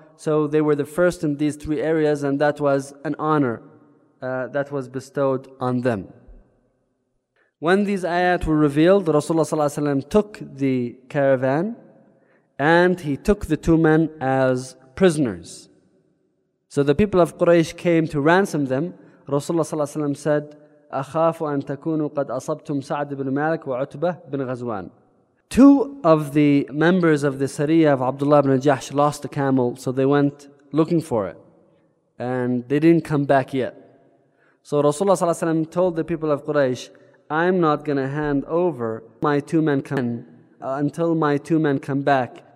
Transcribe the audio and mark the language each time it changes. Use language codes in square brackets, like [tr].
[en] So they were the first in these three areas, and that was an honor that was bestowed on them. When these ayat were revealed, Rasulullah sallallahu alaihi wasallam took the caravan and he took the two men as prisoners. So the people of Quraysh came to ransom them. Rasulullah sallallahu alaihi wasallam said, [ar] أَخَافُ أَن تَكُونُوا قَدْ أَصَبْتُمْ سَعْدِ بْنِ مَالِكَ وَعُتْبَةَ بْنِ غَزْوَانَ. [en] Two of the members of the Sariya of Abdullah ibn Jahsh lost a camel, so they went looking for it. And they didn't come back yet. So Rasulullah sallallahu alaihi wasallam told the people of Quraysh, I'm not going to hand over my two men until my two men come back